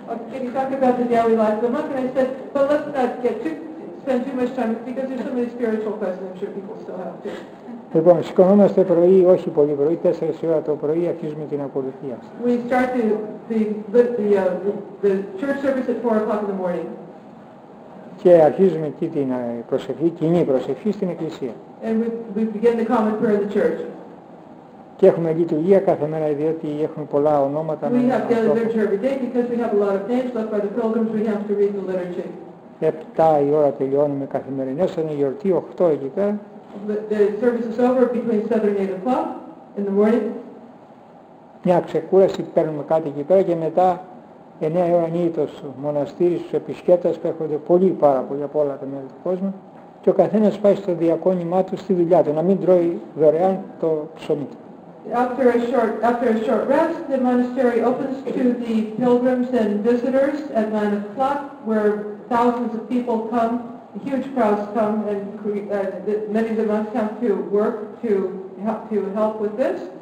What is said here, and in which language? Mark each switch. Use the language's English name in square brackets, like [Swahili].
[English] Can you talk about the daily life of the monk? And I said, but let's not get too, spend too much time, because there's so many spiritual questions, I'm sure people still have to. [Greek] ώρα το πρωί, αρχίζουμε την ακολουθία. [English] We start the church service at 4:00 in the morning. [Greek] Και αρχίζουμε εκεί την προσευχή, κοινή προσευχή στην εκκλησία. [English] And we begin the common prayer in the church. [Greek] Και έχουμε λειτουργία κάθε μέρα, διότι έχουμε πολλά ονόματα. [English] We have the liturgy every day because we have a lot of names left by the pilgrims. We have to read the liturgy. [Greek] 7 η ώρα τελειώνουμε καθημερινές, είναι η γιορτή, 8 εκεί πέρα. [English] The service is over between 7 and 8 o'clock in the morning. [Greek] Μια ξεκούραση, παίρνουμε κάτι εκεί πέρα και μετά 9 η ώρα είναι το μοναστήρι στους επισκέπτες που έρχονται πολύ πάρα πολύ από όλα τα μέλη του κόσμου και ο καθένας πάει στο διακόνημά του στη δουλειά του, να μην τρώει δωρεάν το ψωμί του. [English] After a short rest, the monastery opens to the pilgrims and visitors at 9 o'clock where thousands of people come, huge crowds come and many of them come to work to help with this.